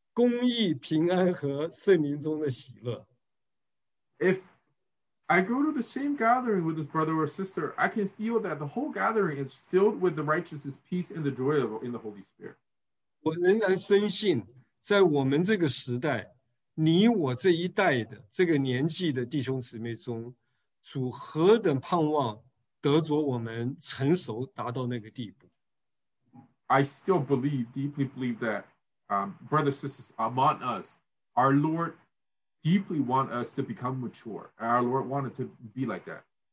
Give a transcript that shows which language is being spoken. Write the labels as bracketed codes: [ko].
[zh] 或者我参加聚会，只要那个弟兄或那姊妹在那里，那聚会里面就满了这个公义、平安和圣灵中的喜乐。 [en] If I go to the same gathering with this brother or sister, I can feel that the whole gathering is filled with the righteousness, peace, and the joy of in the Holy Spirit. [zh] 我仍然深信，在我们这个时代，你我这一代的这个年纪的弟兄姊妹中，主何等盼望得着我们成熟达到那个地步。 [en] I still believe, deeply believe that brothers and sisters among us, our Lord deeply want us to become mature. Our Lord wanted to be like that.